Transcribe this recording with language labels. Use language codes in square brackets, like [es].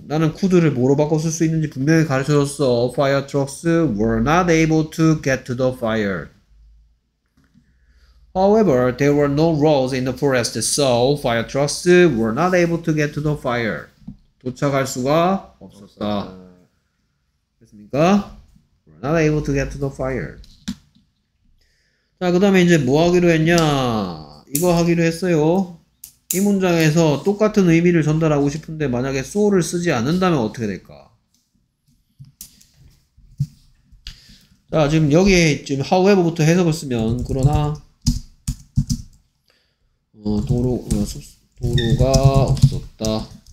[ko] 나는 could를 뭐로 바꿔 쓸 수 있는지 분명히 가르쳐줬어. [en] Fire trucks were not able to get to the fire. However, there were no roads in the forest, so fire trucks were not able to get to the fire. [ko] 도착할 수가 없었다. 됐습니까? [en] We're not able to get to the fire. [ko] 자, 그 다음에 이제 뭐 하기로 했냐? 이거 하기로 했어요. 이 문장에서 똑같은 의미를 전달하고 싶은데 만약에 so를 쓰지 않는다면 어떻게 될까? 자, 지금 여기에 지금 however부터 해석을 쓰면 그러나 도로가 없었다.